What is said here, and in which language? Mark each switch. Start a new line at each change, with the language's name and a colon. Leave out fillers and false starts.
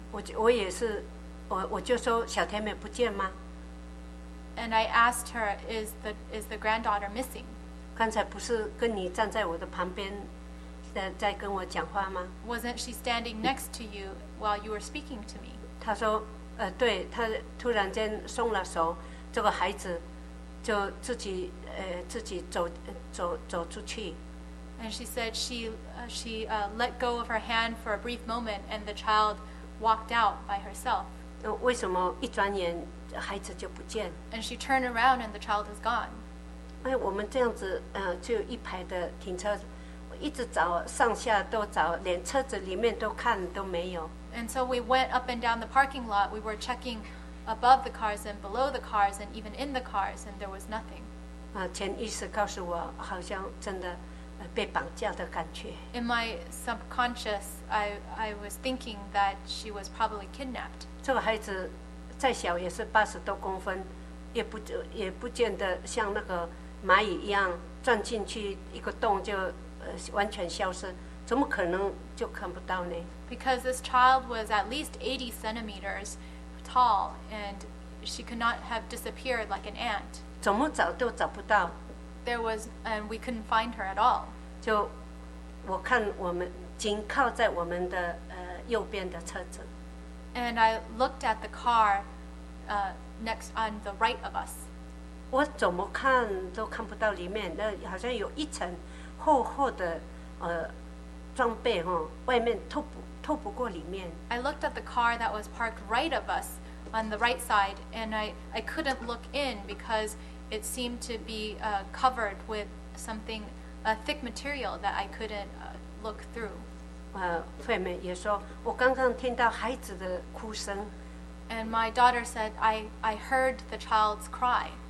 Chinese: 我也是，我就说小甜美不见吗？
English: And I asked her, is the granddaughter missing?
Chinese: 刚才不是跟你站在我的旁边？在跟我讲话吗？
English: Wasn't she standing next to you while you were speaking to me?
Chinese: 她说，对，她突然间松了手，这个孩子就自己走出去。
English: And she said let go of her hand for a brief moment, and the child walked out by herself.
Chinese: 为什么一转眼孩子就不见？
English: And she turned around, and the child is gone.
Chinese: 我们这样子就一排的停车。一直找上下都找连车子里面都看都没有。
English: And so we went up and down the parking lot. We were checking above the cars and below the cars and even in the cars, and there was nothing.
Chinese: 潜意识告诉我好像真的被绑架的感觉。
English: In my subconscious, I was thinking that she was probably kidnapped.
Chinese: 这个孩子再小也是80多公分，也不见得像那个蚂蚁一样钻进去一个洞就完全消失，怎么可能就看不到呢？
English: Because this child was at least 80 centimeters tall, and she could not have disappeared like an ant.
Chinese: 怎么找都找不到。
English: There was, and we couldn't find her at all.
Chinese: 就我看我们紧靠在我们的右边的车子。
English: And I looked at the car next on the right of us.
Chinese: 我怎么看都看不到里面，那好像有一层。厚厚的装备哦，外面透不过里面。
English: I looked at the car that was parked right of us on the right side, and I couldn't look in because it seemed to be covered with something, a thick material that I couldn't look through.
Chinese: 惠美也说，我刚刚听到孩子的哭声。
English: And my daughter said, I heard the child's cry.